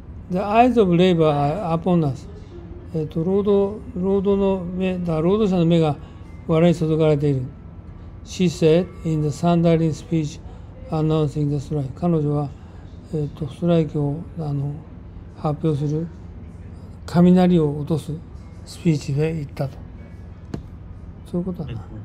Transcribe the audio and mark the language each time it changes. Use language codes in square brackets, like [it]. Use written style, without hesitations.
[ja] で、アイズオブレイバーアポンナス、労働の目だ、労働者の目が我々に注がれている。 [en] She said in the Sunday speech announcing the strike。 [ja] 彼女は、ストライキを、あの、発表する雷を落とすスピーチで言ったと。そういうことだな。